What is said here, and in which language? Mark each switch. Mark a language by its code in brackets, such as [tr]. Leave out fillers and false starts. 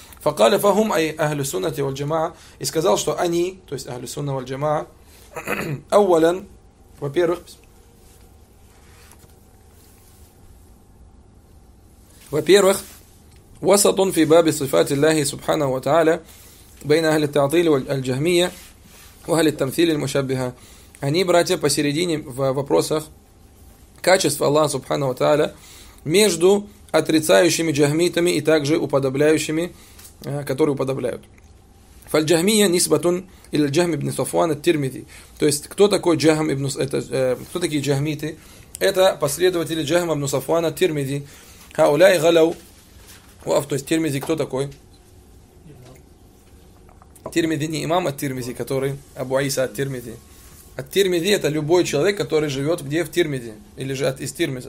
[ar] Факаля фахум ай ахлю суннати валь джамаа, [ru] и сказал, что они, то есть ахлю сунна валь джамаа, [ar] ауалян, во-первых, وسط في باب صفات الله سبحانه وتعالى بين أهل التعطيل والجهمية وأهل التمثيل المشبهة. [ru] Они, братья, посередине в вопросах качества Аллаха Субханаху ва Тааля между отрицающими джахмитами и также уподобляющими, которые уподобляют. [ar] فالجهمية نسبة إلى الجهم بن صفوان الترمذي. [ru] То есть кто такой Джахм ибн, это кто такие джахмиты? Это последователи Джахма ибн Сафуана ат-Тирмизи. [ar] Хауляй галау. [ru] То есть Тирмизи кто такой? Тирмизи не имам ат-Тирмизи, который Абу Иса ат-Тирмизи. Ат-Тирмизи это любой человек, который живет где? В Тирмизи. Или же из Тирмиза.